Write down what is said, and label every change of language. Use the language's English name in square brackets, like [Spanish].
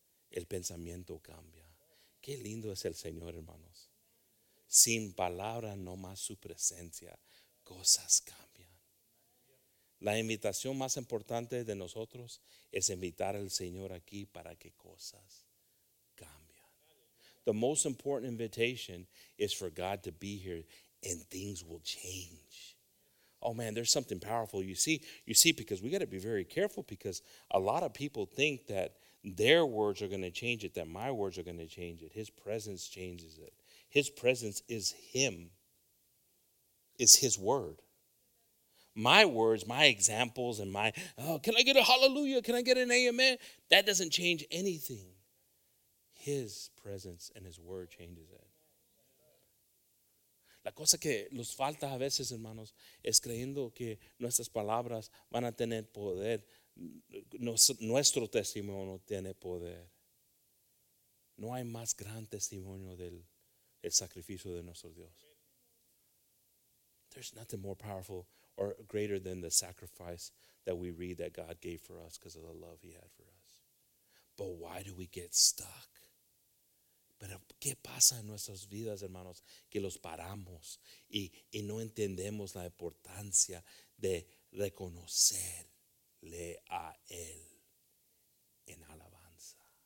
[Spanish] El pensamiento cambia. Qué lindo es el Señor, hermanos. Sin palabra, no más su presencia, cosas cambian. La invitación más importante de nosotros es invitar al Señor aquí para que cosas. [English] The most important invitation is for God to be here and things will change. Oh man, there's something powerful. You see, because we got to be very careful because a lot of people think that their words are going to change it, that my words are going to change it. His presence changes it. His presence is Him, is His word. My words, my examples, and my, can I get a hallelujah? Can I get an amen? That doesn't change anything. His presence and His word changes it. [Spanish] La cosa que nos falta a veces, hermanos, es creyendo que nuestras palabras van a tener poder. Nuestro testimonio tiene poder. No hay más gran testimonio del el sacrificio de nuestro Dios. [English] There's nothing more powerful or greater than the sacrifice that we read that God gave for us because of the love He had for us. But why do we get stuck? [Spanish] Pero ¿qué pasa en nuestras vidas, hermanos? Que los paramos y no entendemos la importancia de reconocerle a Él en alabanza.